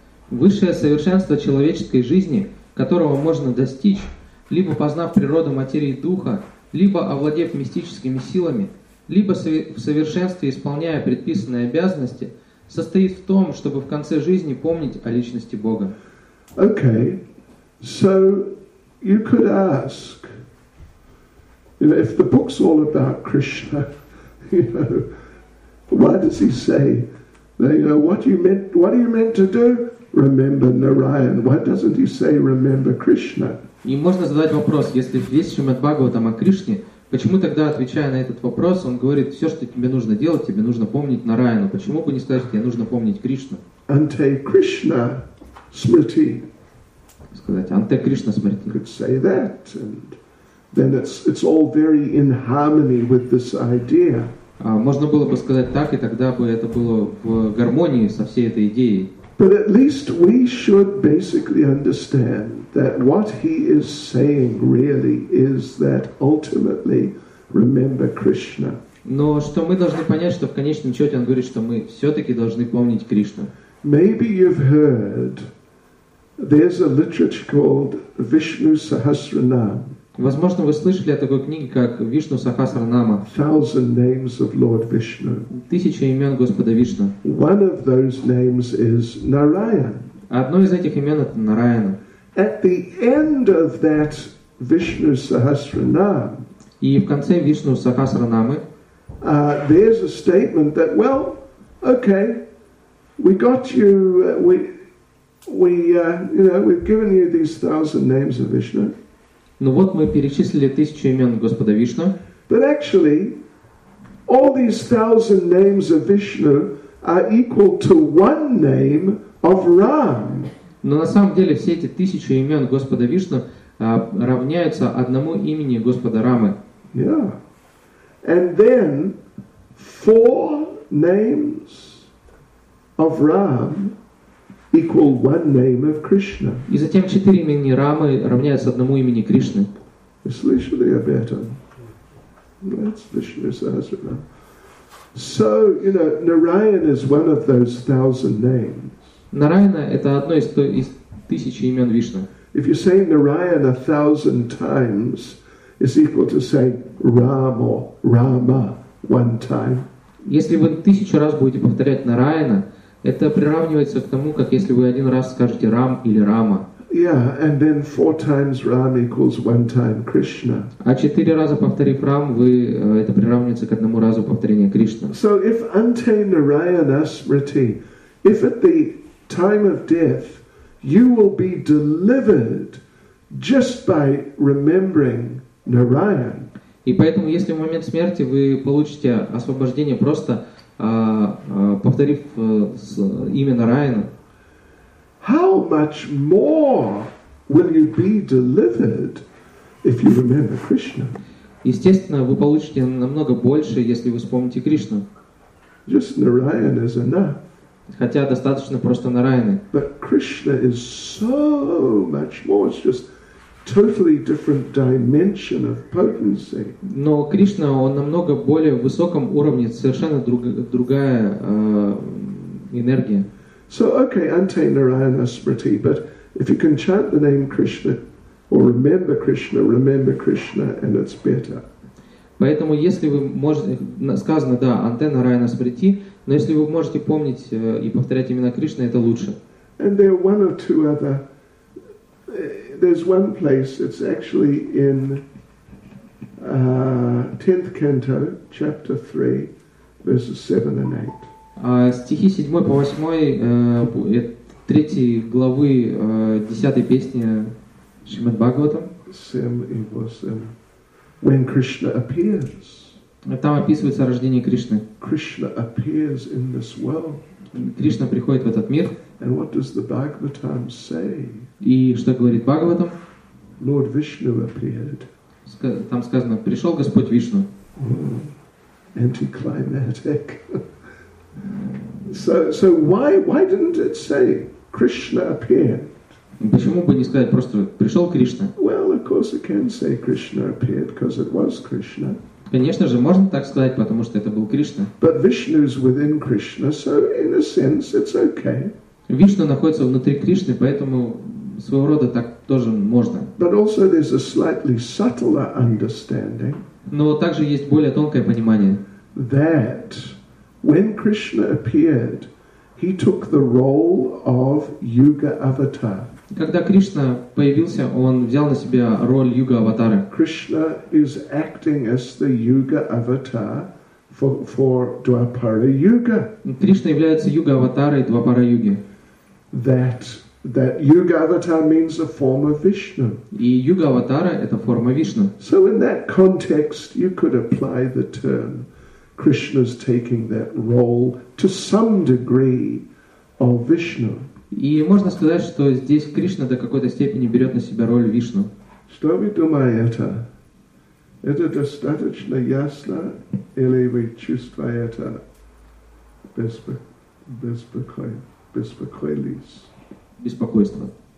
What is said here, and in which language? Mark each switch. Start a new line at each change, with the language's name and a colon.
Russian: Высшее совершенство человеческой жизни, которого можно достичь, либо познав природу материи духа, либо овладев мистическими силами, либо в совершенстве исполняя предписанные обязанности, состоит в том, чтобы в конце жизни помнить о личности Бога.
English: Okay. So you could ask, you know, if the book's all about Krishna, you know, why does he say that, you know, what are you meant to do? remember Narayan, why doesn't he say remember Krishna?
Russian: И можно задать вопрос, если весь Шримад-Бхагаватам о Кришне, почему тогда, отвечая на этот вопрос, он говорит, все, что тебе нужно делать, тебе нужно помнить Нараяну. Почему бы не сказать, тебе нужно помнить Кришну?
Sanskrit: Анте Кришна Смрити.
Russian: Сказать
Sanskrit: Анте Кришна Смрити.
English: Could say that, and then it's all very in harmony with this idea.
Russian: Можно было бы сказать так, и тогда бы это было в гармонии со всей этой идеей.
English: But at least we should basically understand that what he is saying really is that ultimately remember Krishna.
Russian: Но что мы должны понять, что в конечном счете он говорит, что мы все-таки должны помнить Кришну.
English: Maybe you've heard there's a literature called Vishnu Sahasranam.
Russian: Возможно, вы слышали о такой книге, как Вишну Сахасранама.
English: Thousand names of Lord Vishnu.
Russian: Тысяча имен Господа Вишну.
English: One of those names is Narayan.
Russian: Одно из этих имен это Нараяна.
English: At the end of that Vishnu Sahasranam.
Russian: И в конце Вишну Сахасранамы.
English: There's a statement that, well, okay, we got you, we've given you these thousand names of Vishnu.
Russian: Ну вот мы перечислили тысячу имен Господа Вишну.
English: But actually, all these thousand names of Vishnu are equal to one name of Ram.
Russian: Но на самом деле все эти тысячи имен Господа Вишну равняются одному имени Господа Рамы.
English: Yeah. And then four names of Ram equal one name of Krishna.
Russian: И затем четыре имени Рамы равняются одному имени Кришны. Слышали об этом?
English: That's Vishnu Sahasranam. So, you know, Narayan is one of those thousand names.
Russian: Нараяна — это одно из тысячи имен Вишну.
English: If you say Narayan a thousand times, it's equal to say Ram or Rama one time.
Russian: Если вы тысячу раз будете повторять Нараяна, это приравнивается к тому, как если вы один раз скажете Рам или Рама.
English: Yeah, and then four times Ram equals one time Krishna.
Russian: А четыре раза повторив Рам, вы это приравнивается к одному разу повторения Кришны.
English: So if
Sanskrit: Ante Narayana Smriti,
English: if at the time of death you will be delivered just by remembering Narayan.
Russian: И поэтому, если в момент смерти вы получите освобождение просто повторив имя Нараяна.
English: How much more will you be delivered if you remember Krishna?
Russian: Естественно, вы получите намного больше, если вы вспомните Кришну.
English: Just Narayan is enough.
Russian: Хотя достаточно просто Нараяны.
English: But Krishna is so much more. It's just totally different dimension of potency.
Russian: Но Кришна, он намного более в высоком уровне, совершенно другая энергия.
English: So okay,
Sanskrit: Ante Narayana Smriti,
English: but if you can chant the name Krishna or remember Krishna, and it's better.
Russian: Поэтому если вы можете, сказано, да,
Sanskrit: Ante Narayana Smriti,
Russian: но если вы можете помнить и повторять имена Кришны, это лучше.
English: And there are one or two other. There's one place, it's actually in 10th canto, chapter 3, verses 7 and 8.
Russian: Стихи 7 по 8, 3 главы 10 песни Шримад Бхагаватам. 7 и 8.
English: When Krishna appears.
Russian: Там описывается рождение Кришны.
English: Krishna appears in this world.
Russian: Кришна приходит в этот мир.
English: And what does the Bhagavatam say?
Russian: И что говорит Бхагаватам?
English: Lord Vishnu appeared.
Russian: Там сказано, пришел Господь Вишну.
English: Anticlimactic. So why didn't it say Krishna appeared?
Russian: Почему бы не сказать просто пришел Кришна?
English: Well, of course it can say Krishna appeared because it was Krishna.
Russian: Конечно же, можно так сказать, потому что это был Кришна.
English: But Vishnu is within Krishna, so in a sense it's okay.
Russian: Вишна находится внутри Кришны, поэтому своего рода так тоже можно.
English: But also there's a slightly subtler understanding.
Russian: Но также есть более тонкое понимание.
English: That when Krishna appeared, he took the role of Yuga Avatar.
Russian: Когда Кришна появился, он взял на себя роль Юга Аватара.
English: Krishna is acting as the Yuga Avatar for Dwapara Yuga.
Russian: Кришна является Юга Аватарой Двапара Юги.
English: that Yuga-avatar means a form of Vishnu.
Russian: И Юга-аватара – это форма Вишну.
English: So in that context, you could apply the term Krishna's taking that role to some degree of Vishnu.
Russian: И можно сказать, что здесь Кришна до какой-то степени берет на себя роль Вишну. Что вы думаете? Это достаточно ясно, или вы чувствуете беспокойство?